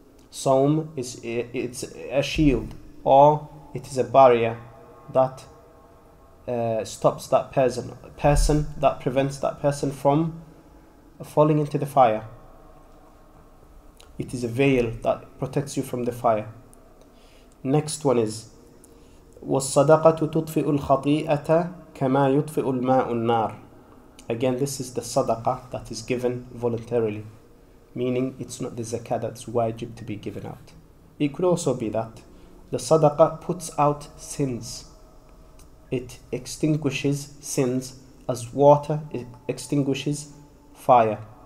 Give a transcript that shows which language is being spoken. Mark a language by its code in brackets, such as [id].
[en] Sawm is it's a shield, or it is a barrier that stops that person that prevents that person from falling into the fire. It is a veil that protects you from the fire. Next one is [ar] وَالصَّدَقَةُ تُطْفِئُ الْخَطِيئَةَ كَمَا يُطْفِئُ الْمَاءُ النَّارِ. [en] Again, this is the sadaqah that is given voluntarily, meaning it's not the zakah that's wajib to be given out. It could also be that the sadaqah puts out sins. It extinguishes sins as water extinguishes fire.